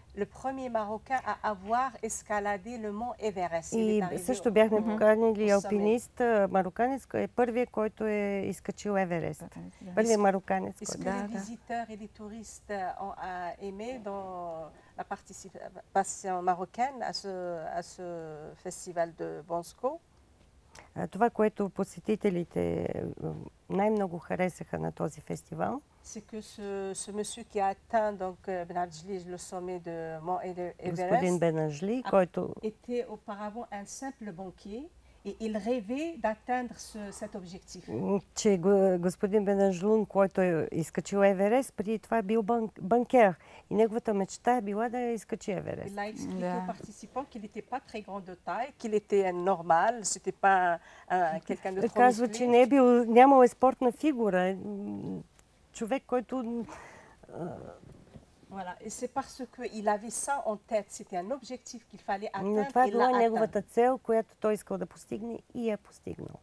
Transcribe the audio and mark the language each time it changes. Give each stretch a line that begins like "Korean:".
French: Le premier Marocain à avoir escaladé le mont Everest.
Bulgarian: И също бяхме поканили алпинист марокканец, е първият, който е изкачил Еверест. Първият марокканец, който е.
French: Visiteurs et les touristes ont aimé dans la participation marocaine à ce festival de Bansko.
Bulgarian: Това, което посетителите най-много харесаха на този фестивал.
French: C'est que ce monsieur qui a atteint donc Ben Abdjelil le sommet de Mont Everest.
Bulgarian: Господин Бен Аджли, който
French: était auparavant un simple banquier et il rêvait d'atteindre ce cet objectif.
Bulgarian: Че господин Бен Аджлун, който е изкачил Еверест, преди това бил банкер и неговата мечта е била да изкачи Еверест.
French: Il a expliqué aux participants qu'il était pas très grand de taille, qu'il était un normal, c'était pas quelqu'un de trop musclé.
Bulgarian: Казва, че не е бил, нямал е спортна фигура. Човек, който
French: voilà, et c'est parce que il avait ça en tête, c'était un objectif qu'il fallait atteindre.
Bulgarian: Но това е била неговата цел, която той искал да постигне и я постигнал.